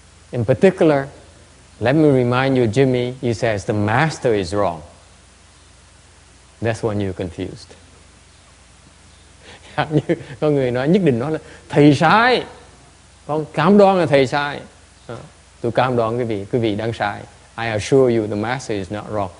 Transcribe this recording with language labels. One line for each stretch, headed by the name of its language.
English: In particular, let me remind you, Jimmy, he says the master is wrong. That's when you're confused.
Vietnamese: Như con người nói nhất định nói là thầy sai. Con cam đoan là thầy sai. Tôi cam đoan quý vị đang sai.
English: I assure you the master is not wrong.